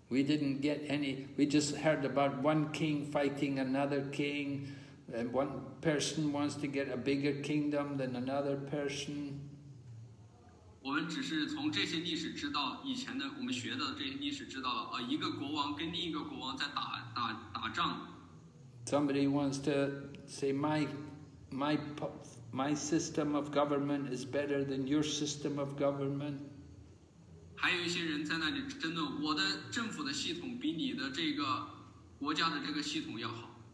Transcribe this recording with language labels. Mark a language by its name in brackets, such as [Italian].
[English] We just heard about one king fighting another king. And one person wants to get a bigger kingdom than another person. [Chinese] 我们学的这些历史知道了一个国王跟另一个国王在打仗。 [English] Somebody wants to say my system of government is better than your system of government. [Chinese] 还有一些人在那里争论我的政府的系统比你的这个国家的这个系统要好。